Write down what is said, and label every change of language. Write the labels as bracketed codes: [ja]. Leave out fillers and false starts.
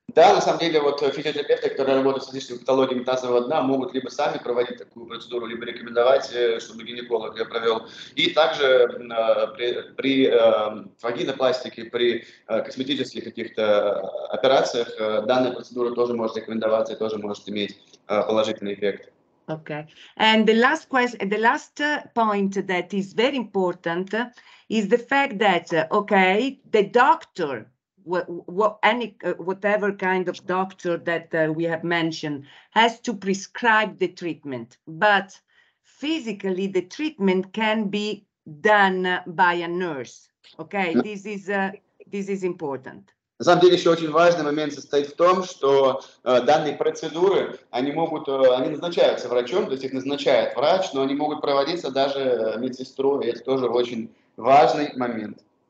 [ru] Да, на самом деле, вот физиотерапевты, которые работают с различными патологиями тазового дна, могут либо сами проводить такую процедуру, либо рекомендовать, чтобы гинеколог ее провел. И также при вагинопластике, при косметических каких-то операциях данная процедура тоже может рекомендоваться и тоже может иметь положительный эффект. [en] Okay. And the last question, the last point that is very important is the fact that, okay, the doctor, whatever kind of doctor that we have mentioned, has to prescribe the treatment. But physically, the treatment can be done by a nurse. Okay, this is important. [ru] На самом деле, еще очень важный момент состоит в том, что данные процедуры, они назначаются врачом, то есть их назначает врач, но они могут проводиться даже медсестрой. Это тоже очень важный момент.